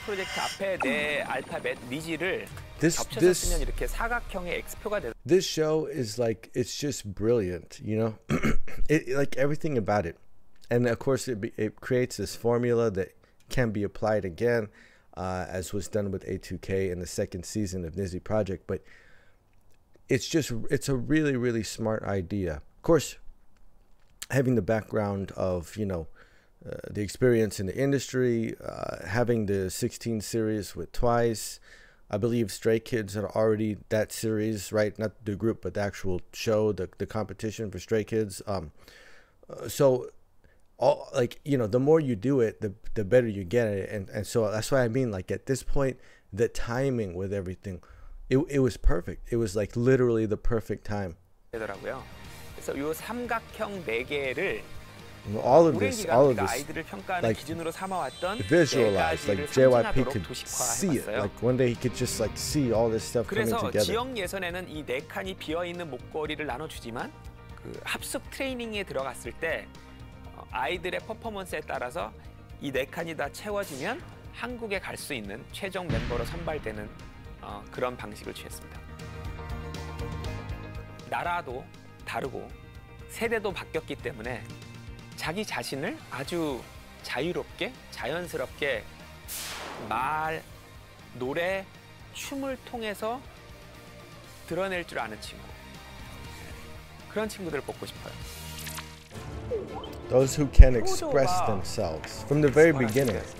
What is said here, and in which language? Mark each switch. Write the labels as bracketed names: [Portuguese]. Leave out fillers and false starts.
[Korean] 프로젝트 앞에 내 알파벳 니지를 겹쳐졌으면 이렇게 사각형의 X표가 되는 [English] This show is like, it's just brilliant, you know? like everything about it. And of course, it creates this formula that can be applied again, as was done with A2K in the second season of Nizi Project. But it's just, it's a really, really smart idea. Of course, having the background of, you know, the experience in the industry, having the 16 series with Twice, I believe Stray Kids had already that series, right? Not the group, but the actual show, the competition for Stray Kids. So... All, like, you know, the more you do it, the better you get at it. And so that's what I mean. Like, at this point, the timing with everything, it was perfect. It was, like, literally the perfect time. So, you [Korean] 삼각형 네 개를 [English] All of this, like, visualized, like, JYP could see it. Like, one day he could just, like, see all this stuff coming together. [Korean] 그래서 지역 예선에는 이 네 칸이 비어있는 목걸이를 나눠주지만, 그 합숙 트레이닝에 들어갔을 때, 아이들의 퍼포먼스에 따라서 이 네 칸이 다 채워지면 한국에 갈 수 있는 최종 멤버로 선발되는 어, 그런 방식을 취했습니다. 나라도 다르고 세대도 바뀌었기 때문에 자기 자신을 아주 자유롭게 자연스럽게 말, 노래, 춤을 통해서 드러낼 줄 아는 친구 그런 친구들을 뽑고 싶어요. [English] Those who can express themselves from the very beginning.